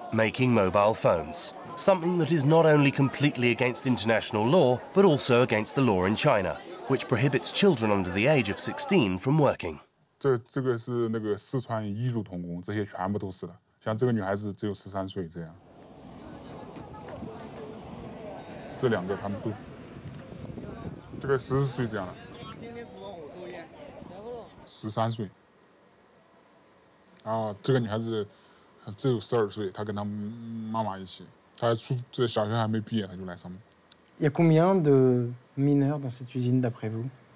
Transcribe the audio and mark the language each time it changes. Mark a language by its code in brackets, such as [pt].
[en] making mobile phones, something that is not only completely against international law, but also against the law in China, which prohibits children under the age of 16 from working. [zh] 这个是那个四川彝族童工，这些全部都是的。像这个女孩子只有13岁这样，这两个他们都，这个14岁这样了，13岁。然后这个女孩子只有12岁，她跟她妈妈一起，她出这小学还没毕业，她就来上班。 [fr] Il y a combien de mineurs dans cette usine d'après vous?